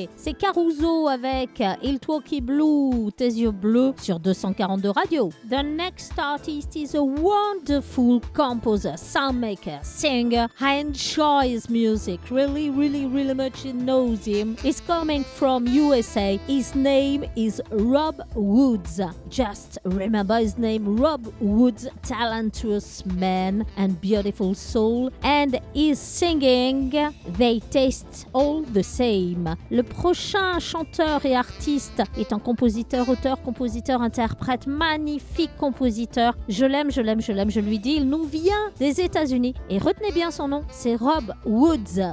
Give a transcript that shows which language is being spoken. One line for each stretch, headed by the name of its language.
French: C'est Caruso avec Il tuo occhi blu, Tes yeux bleus sur 242 Radio.
English: The next artist is a wonderful composer, soundmaker, singer. I enjoy his music, really, really, really much knows him. He's coming from USA. His name is Rob Woods. Just remember his name, Rob Woods, talentless man and beautiful soul, and is singing They Taste All The Same.
French: Le prochain chanteur et artiste est un compositeur, auteur, compositeur, interprète, magnifique compositeur. Je l'aime, je l'aime, je l'aime, je lui dis, il nous vient des États-Unis. Et retenez bien son nom, c'est Rob Woods.